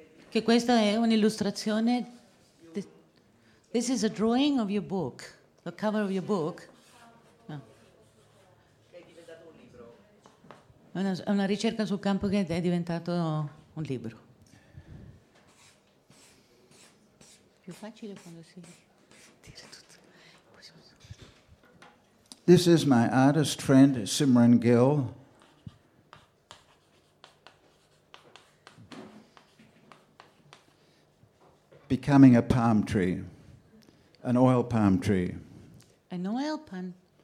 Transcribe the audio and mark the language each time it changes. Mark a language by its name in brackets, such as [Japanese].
[Italian] Che questa è un'illustrazione. [English] This is a drawing of your book, the cover of your book. [Italian] È una ricerca sul campo che è diventato un libro. Più facile quando si dice tutto. [English] This is my artist friend Simran Gill. Becoming a palm tree, an oil palm tree. An oil palm.